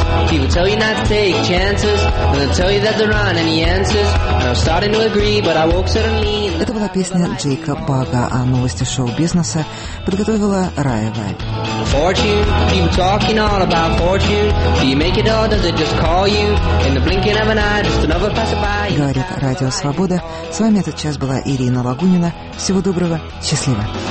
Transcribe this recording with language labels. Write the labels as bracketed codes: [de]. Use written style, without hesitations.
[en] People tell you not to take chances, and they'll tell you that there aren't any answers. [ru] Это была песня Джейка Бага, а новости шоу-бизнеса подготовила Рая Вай. [en] Fortune, people talking all about fortune. Do you make it all, does it just call you? In the blinking of an eye, just another passerby. [ru] Говорит Радио Свобода. С вами этот час была Ирина Лагунина. Всего доброго, счастливо.